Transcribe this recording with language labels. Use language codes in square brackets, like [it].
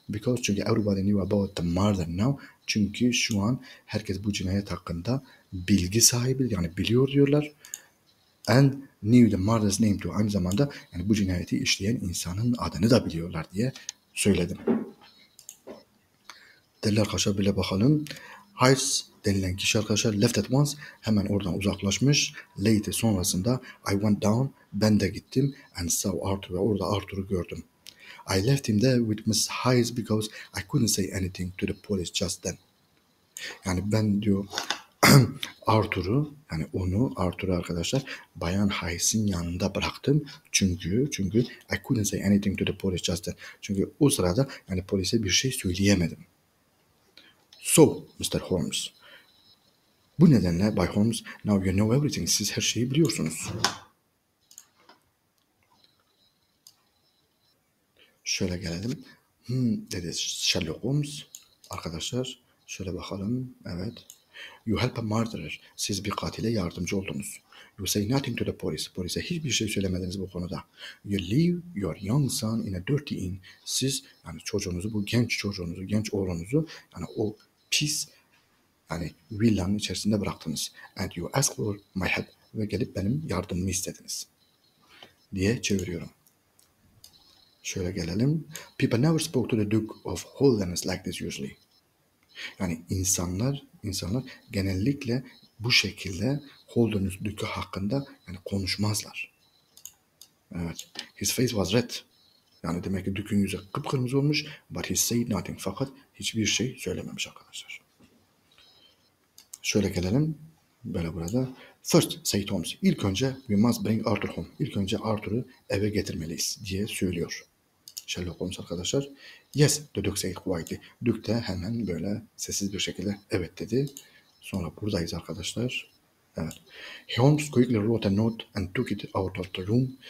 [en] Because çünkü everybody knew about the murder now. [tr] Çünkü şu an herkes bu cinayet hakkında bilgi sahibi yani biliyor diyorlar. [en] And knew the murderer's name too. [tr] Aynı zamanda yani bu cinayeti işleyen insanın adını da biliyorlar diye söyledim. Derler kaşa bile bakalım. Heist denilen kişi arkadaşlar [en] left at once. [tr] Hemen oradan uzaklaşmış. [en] Later [tr] sonrasında [en] I went down. [tr] Ben de gittim. [en] And saw Arthur. [tr] Ve orada Arthur'u gördüm. [en] I left him there with Miss Heist because I couldn't say anything to the police just then. [tr] Yani ben diyor Arthur'u arkadaşlar Bayan Hayes'in yanında bıraktım. [en] Çünkü I couldn't say anything to the police just then. [tr] Çünkü o sırada yani polise bir şey söyleyemedim. [en] So, Mr. Holmes. [tr] Bu nedenle Bay Holmes, [en] now you know everything. [tr] Siz her şeyi biliyorsunuz. Şöyle gelelim. Dedi Sherlock Holmes. Arkadaşlar şöyle bakalım. Evet. [en] You help a murderer. [tr] Siz bir katile yardımcı oldunuz. [en] You say nothing to the police. [tr] Polise hiçbir şey söylemediniz bu konuda. [en] You leave your young son in a dirty inn. [tr] Siz yani genç oğlunuzu yani o pis yani villanın içerisinde bıraktınız. [en] And you ask for my help. [tr] Ve gelip benim yardımımı istediniz. Diye çeviriyorum. Şöyle gelelim. [en] People never spoke to the Duke of Holderness like this usually. [tr] Yani insanlar genellikle bu şekilde Holden'ın dükü hakkında yani konuşmazlar. [en] Evet. His face was red. [tr] Yani demek ki dükün yüzü kıpkırmızı olmuş. [en] But he said nothing. [tr] Fakat hiçbir şey söylememiş arkadaşlar. Şöyle gelelim. Böyle burada. [en] First, say Holmes. [tr] İlk önce [en] we must bring Arthur home. [tr] İlk önce Arthur'u eve getirmeliyiz diye söylüyor. Sherlock Holmes arkadaşlar. [en] Yes, the Duke said quietly. [tr] Duke de hemen böyle sessiz bir şekilde evet dedi. Sonra buradayız arkadaşlar. Evet. [en] Holmes quickly wrote a note and took it out of the room.